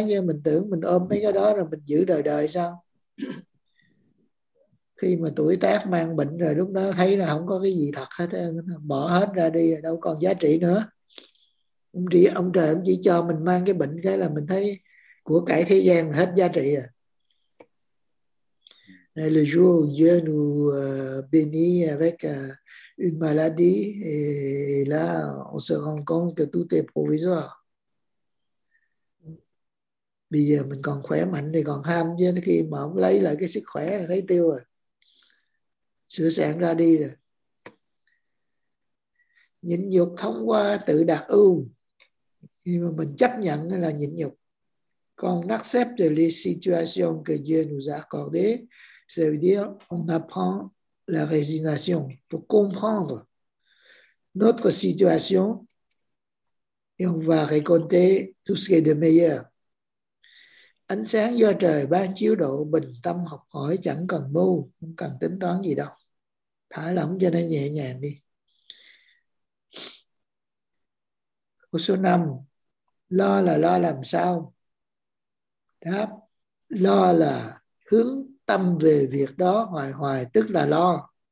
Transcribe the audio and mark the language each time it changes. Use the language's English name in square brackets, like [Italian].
[Vietnamese] Như mình tưởng mình ôm mấy cái đó rồi mình giữ đời đời sao? Khi mà tuổi tác mang bệnh rồi, lúc đó thấy là không có cái gì thật hết, bỏ hết ra đi, đâu còn giá trị nữa. Ông trời ông chỉ cho mình mang cái bệnh cái là mình thấy của cải thế gian là hết giá trị rồi. [French] Le jour Dieu nous bénit avec une maladie et là on se rend compte que tout est provisoire. [Vietnamese] Bây giờ mình còn khỏe mạnh thì còn ham, chứ khi mà ông lấy lại cái sức khỏe là thấy tiêu rồi, sửa sạn ra đi rồi. Nhịn nhục thông qua tự đạt ưu, khi mà mình chấp nhận là nhịn nhục. Còn [French] accepte les situations que Dieu nous a accordées, ça veut dire on apprend la résignation pour comprendre notre situation et on va récolter tout ce qui est de meilleur. [Vietnamese] Ánh sáng do trời ban chiếu độ, bình tâm học hỏi, chẳng cần mưu, không cần tính toán gì đâu. Thả lỏng cho nó nhẹ nhàng đi. Câu số 5. Lo là lo làm sao? Đáp, lo là hướng tâm về việc đó hoài hoài, tức là lo.